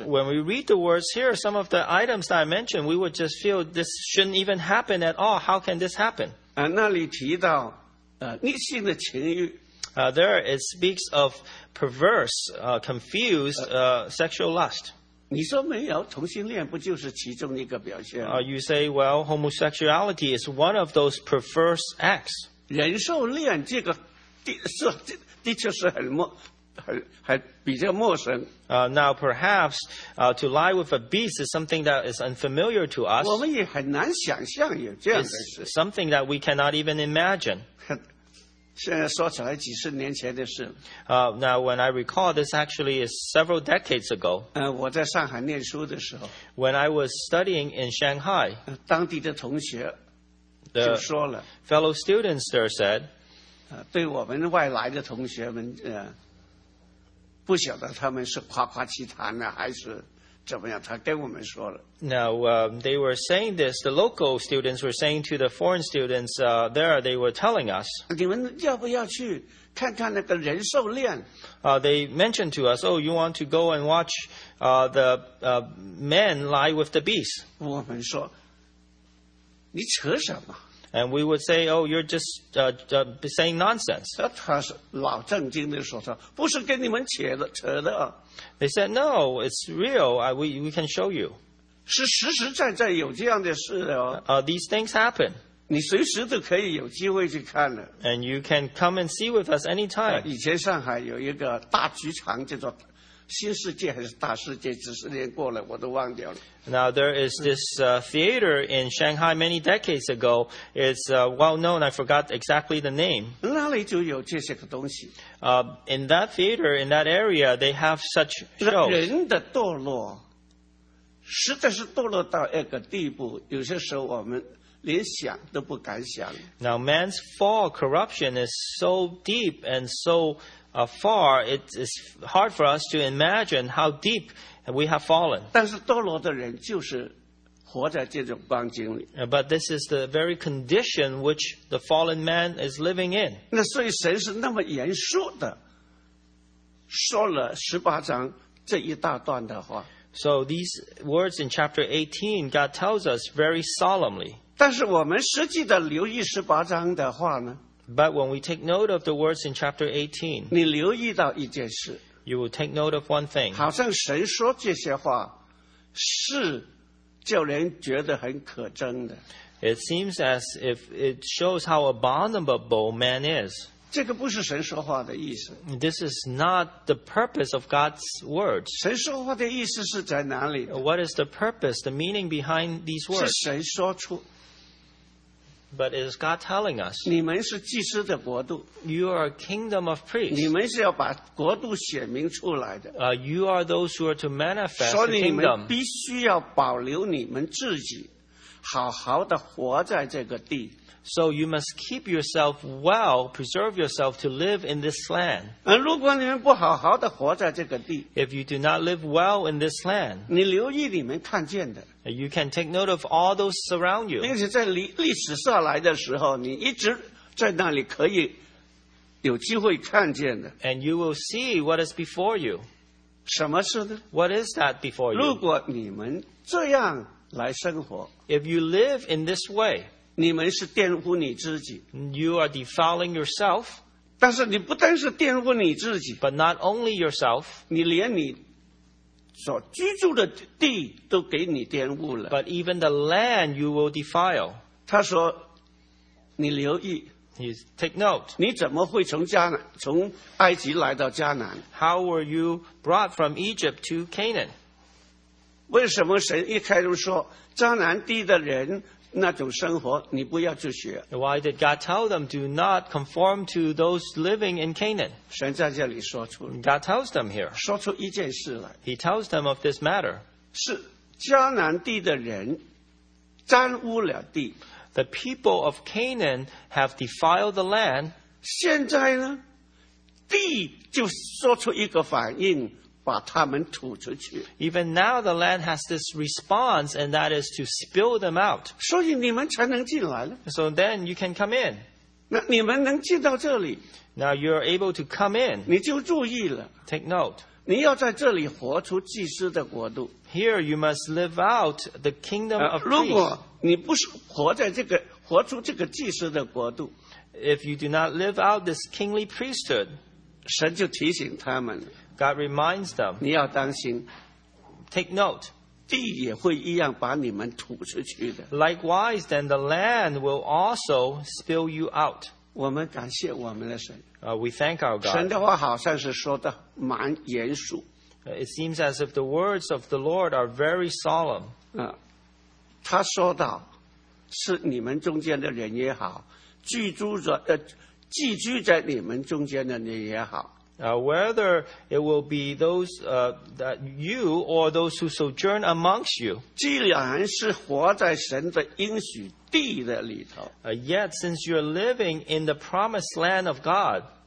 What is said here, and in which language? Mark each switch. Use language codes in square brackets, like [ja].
[en] When we read the words here, some of the items that I mentioned, we would just feel this shouldn't even happen at all. How can this happen? [zh] 那里提到逆性的情欲。 [en] There it speaks of perverse, confused sexual lust. [zh] 你说没有同性恋不就是其中一个表现？ [en] You say, well, homosexuality is one of those perverse acts. [zh] 人兽恋这个的确是还比较陌生。 [en] Now, perhaps, to lie with a beast is something that is unfamiliar to us. [zh] 我们也很难想象有这样的事。 [en] It's something that we cannot even imagine. [zh] 现在说起来几十年前的事。 [en] Now, when I recall, this actually is several decades ago. [zh] 我在上海念书的时候。 [en] When I was studying in Shanghai. [zh] 当地的同学就说了。 [en] The fellow students there said, [zh] 对我们外来的同学们不晓得他们是夸夸其谈呢，还是怎么样？他跟我们说了。 [en] Now, they were saying this. The local students were saying to the foreign students there. They were telling us. [zh] 你们要不要去看看那个人兽恋？ [en] They mentioned to us, "Oh, you want to go and watch the men lie with the beasts?" [zh] 我们说，你扯什么？ [en] And we would say, oh, you're just saying nonsense. [zh] 他是老正经的说，不是跟你们扯的。 [en] They said, no, it's real. We can show you. [zh] 是实实在在有这样的事的哦。 [en] These things happen. [zh] 你随时都可以有机会去看的。 [en] And you can come and see with us anytime. [zh] 以前上海有一个大剧场叫做新世界还是大世界，几十年过了我都忘掉了。 [en] Now there is this theater in Shanghai many decades ago. It's well known. I forgot exactly the name. [zh] 那里就有这些东西。 [en] In that theater, in that area, they have such shows. [zh] 人的堕落，实在是堕落到一个地步，有些时候我们连想都不敢想。 [en] Now man's fall, corruption is so deep and so far. It is hard for us to imagine how deep. And we have fallen. [zh] 但是堕落的人就是活在这种光景里。 [en] But this is the very condition which the fallen man is living in. [zh] 那所以神是那么严肃的说了十八章这一大段的话。 [en] So these words in chapter 18, God tells us very solemnly. [zh] 但是我们实际的留意十八章的话呢。 [en] But when we take note of the words in chapter 18, [zh] 你留意到一件事。 [en] You will take note of one thing. [zh] 好像神说这些话是叫人觉得很可憎的。 [en] It seems as if it shows how abominable man is. [zh] 这个不是神说话的意思。 [en] This is not the purpose of God's words. [zh] 神说话的意思是在哪里？ [en] What is the purpose, the meaning behind these words? [zh] 是神说出。 [en] But it is God telling us. [zh] 你们是祭司的国度。 [en] You are a kingdom of priests. [zh] 你们是要把国度显明出来的。 [en] You are those who are to manifest the kingdom. [zh] 说你们必须要保留你们自己，好好的活在这个地。 [en] So you must keep yourself well, preserve yourself to live in this land. [zh] 如果你们不好好的活在这个地。 [en] If you do not live well in this land. [zh] 你留意你们看见的。 [en] You can take note of all those around you. [zh] 并且在历史上来的时候，你一直在那里可以有机会看见的。 [en] And you will see what is before you. [zh] 什么事呢？ [en] What is that before you? [zh] 如果你们这样来生活。 [en] If you live in this way. [zh] 你们是玷污你自己。 [en] You are defiling yourself. [zh] 但是你不但是玷污你自己。 [en] But not only yourself. [zh] 你连你所居住的地都给你玷污了。 [en] But even the land you will defile. [zh] 他说你留意。 [en] You take note. [zh] 你怎么会从埃及来到迦南？ [en] How were you brought from Egypt to Canaan? [zh] 为什么神一开始说迦南地的人那种生活你不要去学？ [en] Why did God tell them do not conform to those living in Canaan? [zh] 神在这里说出了。 [en] God tells them here. [zh] 说出一件事来。 [en] He tells them of this matter. [zh] 是迦南地的人沾污了地。 [en] The people of Canaan have defiled the land. [zh] 现在呢地就说出一个反应把他们吐出去。 [en] Even now, the land has this response, and that is to spill them out. [zh] 所以你们才能进来了。 [en] So then you can come in. [zh] 那你们能进到这里。 [en] Now you are able to come in. [zh] 你就注意了。 [en] Take note. [zh] 你要在这里活出祭司的国度。 [en] Here you must live out the kingdom of peace. [zh] 如果你不是活在这个活出这个祭司的国度 [en] ，If you do not live out this kingly priesthood, [zh] 神就提醒他们。 [en] God reminds them. [zh] 你要当心。 [en] Take note. [zh] 地也会一样把你们吐出去的。 [en] Likewise, then the land will also spill you out. [zh] 我们感谢我们的神。 [en] We thank our God. [zh] 神的话好像是说的蛮严肃。 [en] It seems as if the words of the Lord are very solemn. [zh] 他说到，是你们中间的人也好，寄居在你们中间的人也好。 [en] Whether it will be those that you or those who sojourn amongst you, [zh] 既然是活在神的应许地的里头 [en] yet since you are living in the promised land of God,